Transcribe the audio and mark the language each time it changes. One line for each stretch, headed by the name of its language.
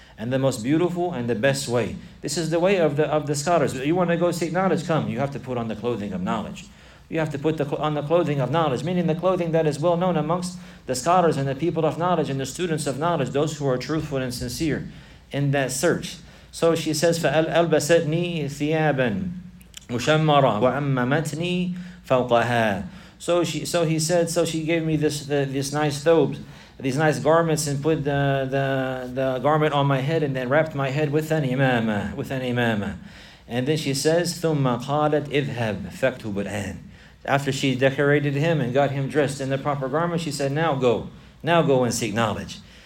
English: And the most beautiful and the best way. This is the way of the scholars. You want to go seek knowledge, come. You have to put on the clothing of knowledge. You have to put on the clothing of knowledge, meaning the clothing that is well known amongst the scholars and the people of knowledge and the students of knowledge, those who are truthful and sincere in that search. So she says,
Arabic: فَأَلْبَسَتْنِي ثِيَابًا مُشَمَّرًا وَعَمَّمَتْنِي فَوْقَهَا.
English: So she gave me this nice thobe, these nice garments, and put the garment on my head, and then wrapped my head with an imama. And then she says,
Arabic: ثُمَّ قَالَتْ اِذْهَبْ فَكْتُبُ الْآنِ.
English: After she decorated him and got him dressed in the proper garment, she said, Now go and seek knowledge.